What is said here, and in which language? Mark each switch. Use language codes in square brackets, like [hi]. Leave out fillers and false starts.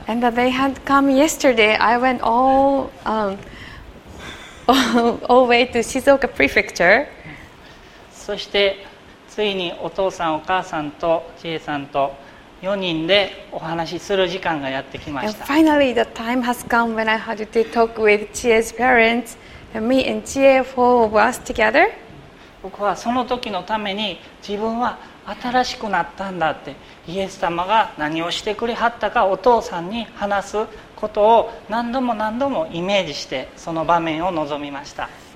[en] And they had come yesterday. I went all way to 静岡 prefecture. [ja] そしてついにお父さんお母さんと知恵さんと4人でお話しする時間がやってきました。 [en] And finally, the time has come when I had to talk with Chie's parents and me and Chie, four of us together. [ja] 僕はその時のために自分は新しくなったんだってイエス様が何をしてくれはったかお父さんに話すことを何度も何度もイメージしてその場面を望みました。